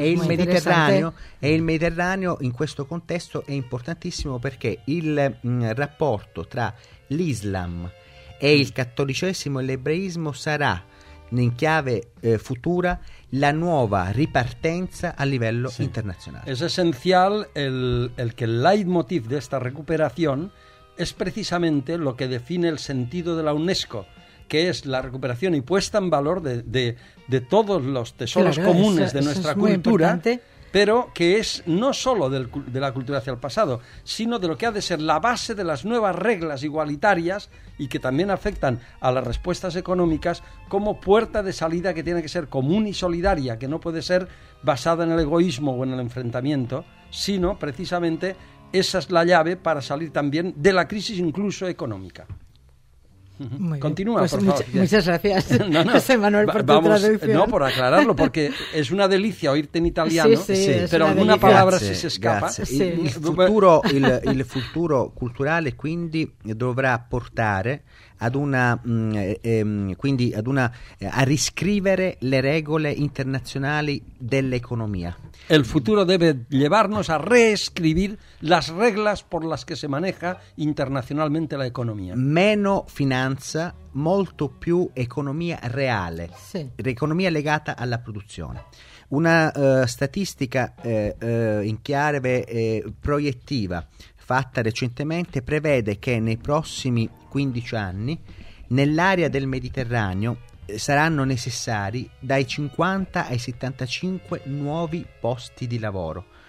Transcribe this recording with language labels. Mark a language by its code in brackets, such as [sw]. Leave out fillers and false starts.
[it] E il Mediterraneo, e il Mediterraneo in questo contesto è importantissimo, perché il rapporto tra l'Islam e il cattolicesimo e l'ebraismo sarà, in chiave futura, la nuova ripartenza a livello internazionale. [es] Es esencial el que el leitmotiv de esta recuperación es precisamente lo que define el sentido de la UNESCO, que es la recuperación y puesta en valor de todos los tesoros comunes de nuestra cultura, pero que es no solo de la cultura hacia el pasado, sino de lo que ha de ser la base de las nuevas reglas igualitarias y que también afectan a las respuestas económicas como puerta de salida que tiene que ser común y solidaria, que no puede ser basada en el egoísmo o en el enfrentamiento, sino precisamente esa es la llave para salir también de la crisis incluso económica. Muy continúa, pues, por favor. Muchas gracias, José Manuel, por tu traducción. No, por aclararlo, porque es una delicia oírte en italiano, sí, pero alguna palabra se si escapa. [it] Il futuro culturale, quindi, dovrà portare ad una quindi ad una a riscrivere le regole internazionali dell'economia. [es] El futuro debe llevarnos a reescribir las reglas por las que se maneja internacionalmente la economía. [it] Meno finanza, molto più economia reale, l'economia legata alla produzione. Una statistica in chiave proiettiva fatta recentemente prevede che nei prossimi 15 anni nell'area del Mediterraneo saranno necessari dai 50 ai 75 nuovi posti di lavoro.